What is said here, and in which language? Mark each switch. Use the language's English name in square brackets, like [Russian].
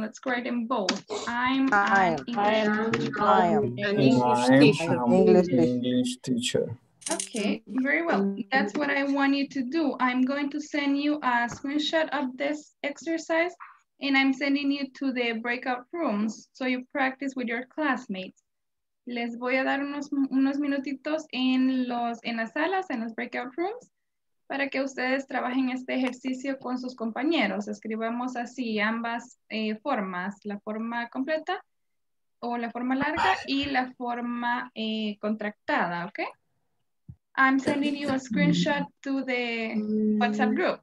[English] Let's write in both. I am an English teacher. Okay, very well. That's what I want you to do. I'm going to send you a screenshot of this exercise and I'm sending you to the breakout rooms so you practice with your classmates. [Spanish] Les voy a dar unos minutitos en las salas, en los [English] breakout rooms. [Spanish] Para que ustedes trabajen este ejercicio con sus compañeros. Escribamos así ambas formas, la forma completa o la forma larga y la forma contractada, ¿ok? [English] I'm sending you a screenshot to the WhatsApp group.